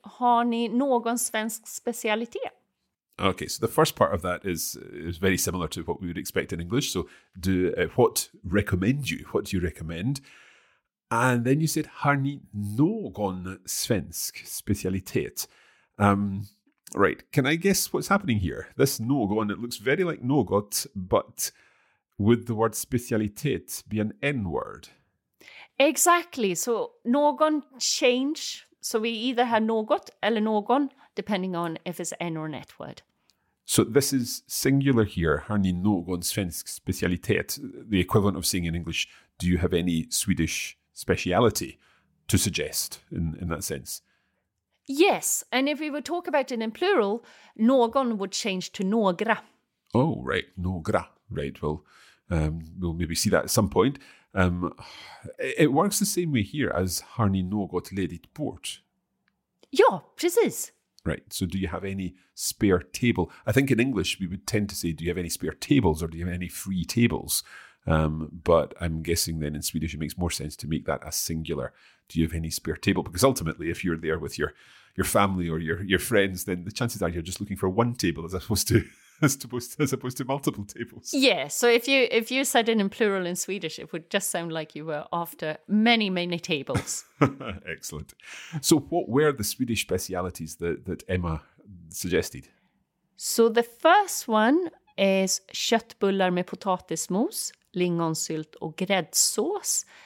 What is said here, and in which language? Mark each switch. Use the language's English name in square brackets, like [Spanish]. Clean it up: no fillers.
[Swedish] Har ni någon svensk specialitet? [English] Okay, so the first part of that is very similar to what we would expect in English. So, what recommend you? What do you recommend? And then you said, [Swedish] har ni någon svensk specialitet? [English] Right, can I guess what's happening here? This någon, it looks very like något, but would the word specialitet be an N word? Exactly. So någon change So we either have något eller någon, depending on if it's an or net word. So this is singular here. [Swedish] Har ni någon svensk specialitet? [English] The equivalent of saying in English, do you have any Swedish speciality to suggest in that sense? Yes. And if we were talk about it in plural, någon would change to några. Oh, right. Några. Right. Well, we'll maybe see that at some point. It works the same way here as [Swedish] har ni något ledigt bord? Ja, precis. [English] Right. So do you have any spare table? I think in English we would tend to say, do you have any spare tables or do you have any free tables? But I'm guessing then in Swedish it makes more sense to make that a singular. Do you have any spare table? Because ultimately, if you're there with your family or your friends, then the chances are you're just looking for one table as opposed to multiple tables. Yeah. So if you said it in plural in Swedish, it would just sound like you were after many, many tables. Excellent. So what were the Swedish specialities that Emma suggested? So the first one is [Swedish] köttbullar med potatismos, lingonsylt och gräddsås.